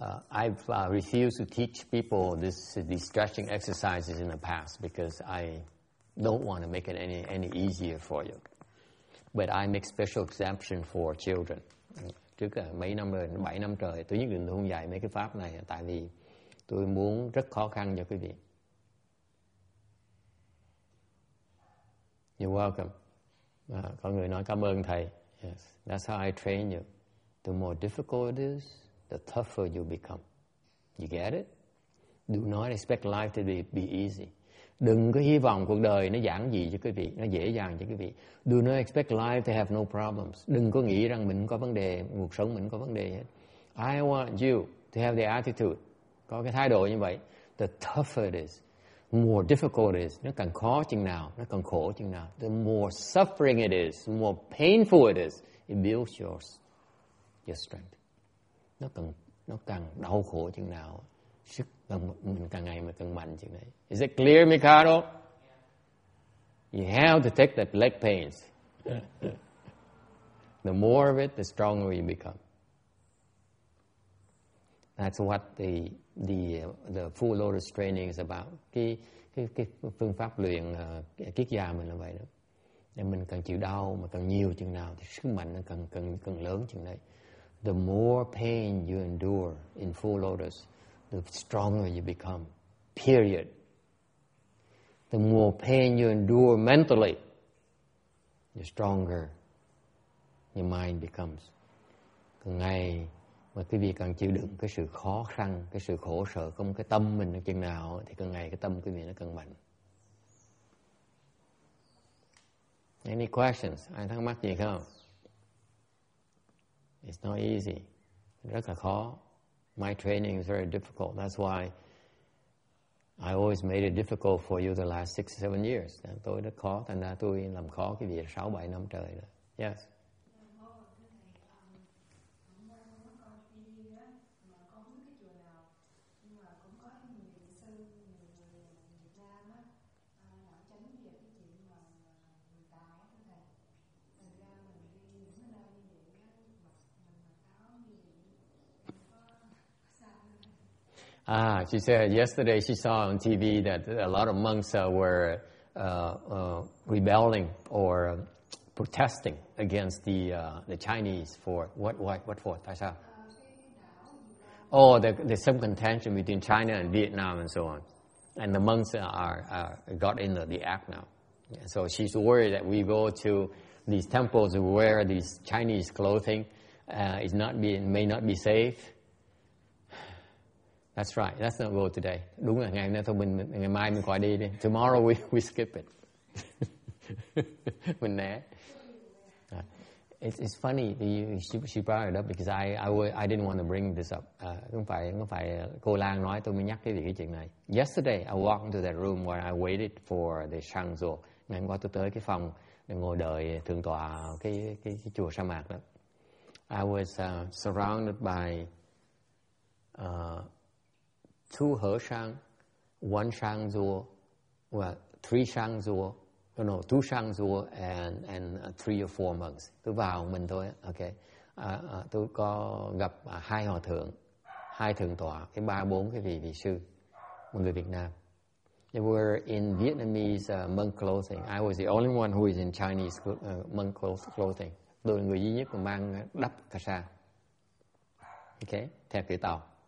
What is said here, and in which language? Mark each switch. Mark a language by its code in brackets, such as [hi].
[en] I've refused to teach people these stretching exercises in the past because I don't want to make it any easier for you. But I make special exemption for children. [vi] Trước mấy năm rồi, 7 năm trời, tôi nhất định không dạy mấy cái pháp này tại vì tôi muốn rất khó khăn cho quý vị. [en] You're welcome. [vi] Có người nói cảm ơn thầy. [en] Yes, that's how I train you. The more difficult it is, the tougher you become. You get it? Do not expect life to be easy. [vi] Đừng có hy vọng cuộc đời nó giản dị cho quý vị, nó dễ dàng cho quý vị. [en] Do not expect life to have no problems. [vi] Đừng có nghĩ rằng mình có vấn đề, cuộc sống mình có vấn đề hết. [en] I want you to have the attitude, [vi] có cái thái độ như vậy. [en] The tougher it is, more difficult it is, [vi] nó càng khó chừng nào, [en] nó càng khổ chừng nào, the more suffering it is, the more painful it is, it builds your strength. [vi] nó càng đau khổ chừng nào, sức mình càng ngày mình càng mạnh chừng đấy. [en] Is it clear, Mikado? You have to take that leg pains. The more of it, the stronger you become. That's what the full lotus training is about. [vi] Cái phương pháp luyện kiết già mình là vậy đó. Nên mình càng chịu đau mà càng nhiều chừng nào thì sức mạnh nó càng lớn chừng đấy. [en] The more pain you endure in full lotus, the stronger you become. Period. The more pain you endure mentally, the stronger your mind becomes. [vi] Càng ngày mà quý vị càng chịu đựng cái sự khó khăn, cái sự khổ sở của cái tâm mình chừng nào thì càng ngày cái tâm quý vị nó càng mạnh. [en] Any questions? [vi] Ai thắc mắc gì không? [en] It's not easy. [vi] Rất là khó. [en] My training is very difficult. That's why I always made it difficult for you the last 6-7 years. [vi] Tôi rất khó, thành ra tôi làm khó cái việc 6-7 năm trời rồi. [en] Yes. Ah, she said yesterday she saw on TV that a lot of monks were rebelling or protesting against the Chinese for what for? [vi] Tại sao? [en] There's some contention between China and Vietnam and so on, and the monks are got in the act now. So she's worried that we go to these temples and wear these Chinese clothing may not be safe. That's right. That's not go today. [vi] Đúng là ngày hôm nay thôi, ngày mai mình khỏi đi đi. [en] Tomorrow we skip it. [vi] Mình né. [en] It's funny. She brought it up because I didn't want to bring this up. [vi] Không phải cô Lan nói tôi mới nhắc cái chuyện này. [en] Yesterday I walked into that room where I waited for the Shangzhou. [vi] Ngày hôm qua tôi tới cái phòng để ngồi đợi thượng tọa cái chùa Sa Mạc đó. [en] I was surrounded by two He Shang, one Shang Zuo, well, three Shang Zuo, no, no, two Shang Zuo and three or four monks. [vi] Tôi vào mình thôi, okay. Tôi có gặp hai hòa thượng, hai thượng tọa, cái ba bốn cái vị sư, một người Việt Nam. [en] They were in Vietnamese monk clothing. I was the only one who is in Chinese monk clothing. [vi] Tôi là người duy nhất mà mang đắp cà sa, okay, theo kiểu Tàu.